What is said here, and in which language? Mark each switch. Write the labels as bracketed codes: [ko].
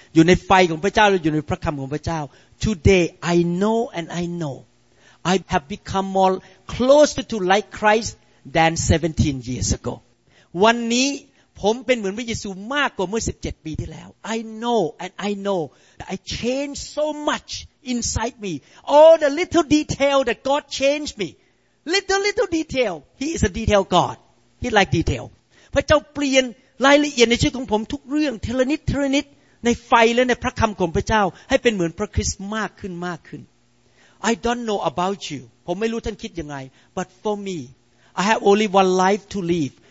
[th] อยู่ในไฟของพระเจ้าและอยู่ในพระคำของพระเจ้า [en] Today, I know and I know. I have become more closer to like Christ than 17 years ago. [th] วันนี้ผมเป็นเหมือนพระเยซูมากกว่าเมื่อ 17 ปีที่แล้ว [en] I know and I know that I changed so much. Inside me, all the little detail that God changed me, little detail. He is a detail God. He like detail. [th] พระเจ้าเปลี่ยนรายละเอียดในชีวิตของผมทุกเรื่องทีละนิดในไฟและในพระคำของพระเจ้าให้เป็นเหมือนพระคริสต์มากขึ้น [en] I don't know about you. [th] ผมไม่รู้ท่านคิดยังไง [en] but for me, I have only one life to live.